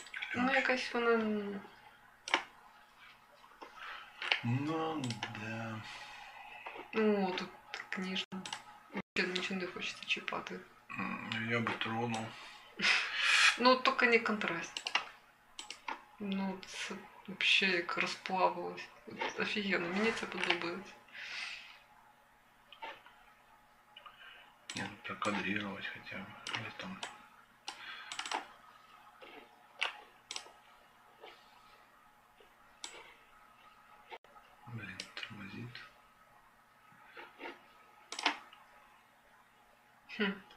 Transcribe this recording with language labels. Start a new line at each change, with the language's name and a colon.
Ukrainian: Ключ. Ну, якось вона. Ну да. Ну, тут книжка.
Russian: Вообще ничего не хочется
Ukrainian: чипати.
Russian: Я бы тронул. Ну, только не контраст.
Ukrainian: Ну, це
Russian: вообще
Ukrainian: як розплавилось. Офігенно, мені це подобається.
Russian: Прокадрировать хотя бы или там. Блин, тормозит.